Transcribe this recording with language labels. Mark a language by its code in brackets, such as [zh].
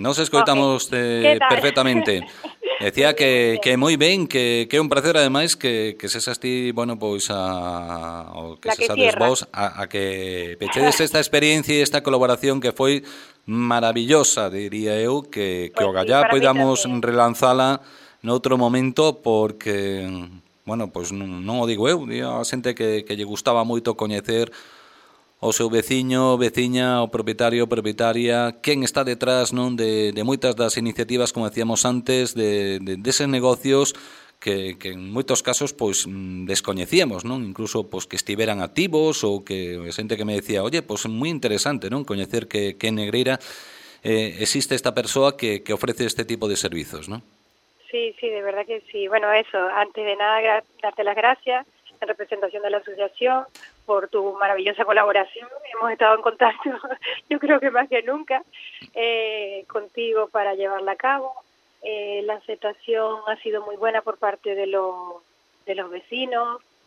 [es] Nos escuchamos perfectamente. Decía que muy bien, que un placer, además, que se seas ti, bueno, pues a... O que la se que vos a que pechedes esta experiencia y esta colaboración que fue maravillosa, diría yo, que pues ogallá sí, podamos relanzarla en otro momento porque... [gl] Bueno, pois non o digo eu, digo a xente que lle gustaba moito coñecer o seu veciño, veciña, o propietario, propietaria, quen está detrás, non, de moitas das iniciativas, como decíamos antes, deses negocios que en moitos casos pois descoñecíamos, non, incluso pois que estiveran activos ou que xente que me decía, "Oye, pois é moi interesante, non, coñecer que en Negreira existe esta persoa que ofrece este tipo de servizos, non?" [es] Sí, de verdad que sí. Bueno, eso, antes de nada, darte las gracias en representación de la asociación por tu maravillosa colaboración. Hemos estado en contacto, yo creo que más que nunca, contigo para llevarla a cabo. La aceptación ha sido muy buena por parte de los vecinos.